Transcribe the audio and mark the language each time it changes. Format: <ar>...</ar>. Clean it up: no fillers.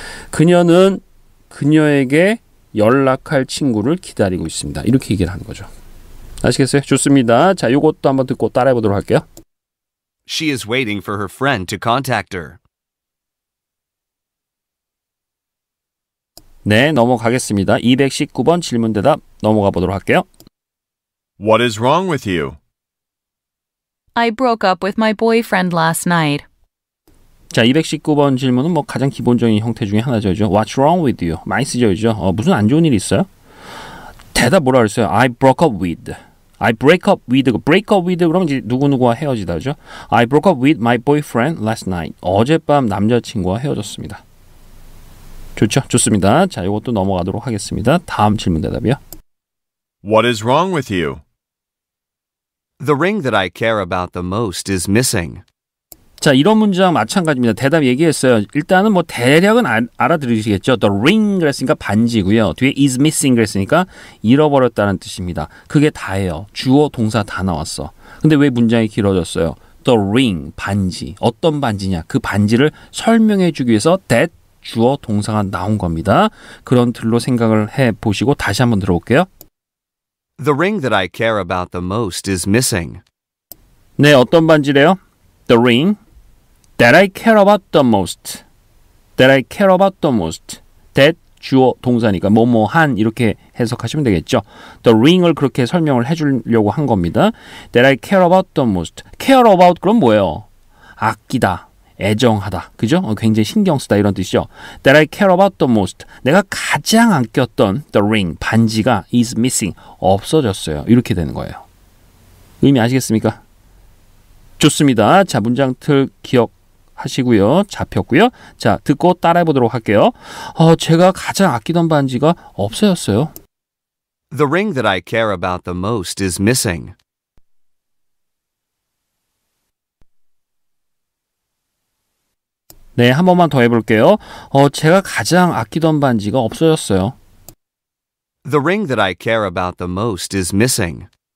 <ko>그녀는 그녀에게 연락할 친구를 기다리고 있습니다. 이렇게 얘기를 하는 거죠. 아시겠어요? 좋습니다. 자, 이것도 한번 듣고 따라해보도록 할게요.</ko> <en>She is waiting for her friend to contact her.</en> <ko>네, 넘어가겠습니다. 219번 질문 대답 넘어가 보도록 할게요.</ko> <en>What is wrong with you? I broke up with my boyfriend last night.</en> <ko>자, 219번 질문은 뭐 가장 기본적인 형태 중에 하나죠. 그렇죠?</ko> <en>What's wrong with you?</en> <ko>많이 쓰죠. 그렇죠? 무슨 안 좋은 일이 있어요? 대답 뭐라 그랬어요?</ko> <en>I broke up with. I break up with. Break up with</en> <ko>그러면 이제 누구누구와 헤어지다. 그렇죠?</ko> <en>I broke up with my boyfriend last night.</en> <ko>어젯밤 남자친구와 헤어졌습니다. 좋죠? 좋습니다. 자, 이것도 넘어가도록 하겠습니다. 다음 질문 대답이요.</ko> <en>What is wrong with you? The ring that I care about the most is missing.</en> <ko>자, 이런 문장 마찬가지입니다. 대답 얘기했어요. 일단은 뭐 대략은 알아들으시겠죠. The ring 그랬으니까 반지고요. 뒤에</ko> <en>is missing</en> <ko>그랬으니까 잃어버렸다는 뜻입니다. 그게 다예요. 주어, 동사 다 나왔어. 근데 왜 문장이 길어졌어요? The ring, 반지. 어떤 반지냐? 그 반지를 설명해 주기 위해서 that 주어, 동사가 나온 겁니다. 그런 틀로 생각을 해보시고 다시 한번 들어볼게요.</ko> <en>The ring that I care about the most is missing.</en> <ko>네, 어떤 반지래요?</ko> <en>The ring that I care about the most. That I care about the most.</en> <ko>That 주어, 동사니까 뭐뭐한 이렇게 해석하시면 되겠죠. The ring을 그렇게 설명을 해주려고 한 겁니다.</ko> <en>That I care about the most. Care about</en> <ko>그럼 뭐예요? 아끼다. 애정하다. 그죠? 굉장히 신경 쓰다 이런 뜻이죠.</ko> <en>That I care about the most.</en> <ko>내가 가장 아꼈던 the ring, 반지가</ko> <en>is missing.</en> <ko>없어졌어요. 이렇게 되는 거예요. 의미 아시겠습니까? 좋습니다. 자, 문장 틀 기억하시고요. 잡혔고요. 자, 듣고 따라해보도록 할게요. 제가 가장 아끼던 반지가 없어졌어요.</ko> <en>The ring that I care about the most is missing.</en> <ko>네, 한 번만 더 해볼게요. 제가 가장 아끼던 반지가 없어졌어요.</ko> <en>The ring that I care about the most is missing.</en>